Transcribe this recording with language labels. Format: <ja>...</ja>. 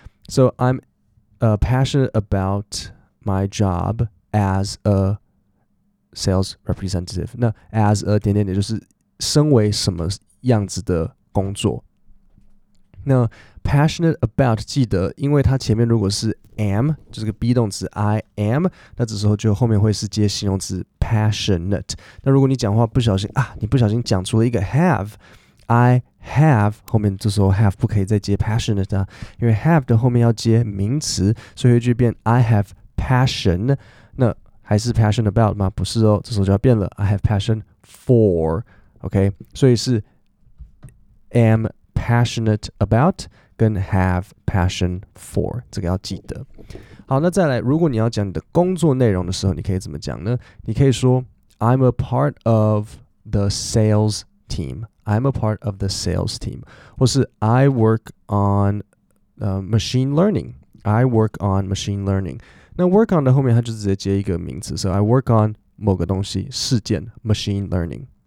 <en>So I'm passionate aboutMy job as a sales representative.</en> <zh>那 as a 点点点就是身为什么样子的工作。那 passionate about 记得，因为它前面如果是 am， 就是个 be 动词 I am， 那这时候就后面会是接形容词 passionate。那如果你讲话不小心啊，你不小心讲出了一个 have， I have， 后面这时候 have 不可以再接 passionate 啊，因为 have 的后面要接名词，所以就变 I have。 Passion， 那还是 passion about 吗？不是哦，这时候就要变了。</zh> <en>I have passion for，</en> <zh>OK， 所以是 am passionate about 跟 have passion for， 这个要记得。好，那再来，如果你要讲你的工作内容的时候，你可以怎么讲呢？你可以说</zh> <en>I'm a part of the sales team， I'm a part of the sales team，</en> <zh>或是</zh> <en>I work on machine learning， I work on machine learning。</en> <zh>那 work on 的后面它就直接接一个名词，</zh> <en>so I work on</en> <zh>某个东西事件 machine learning。</zh>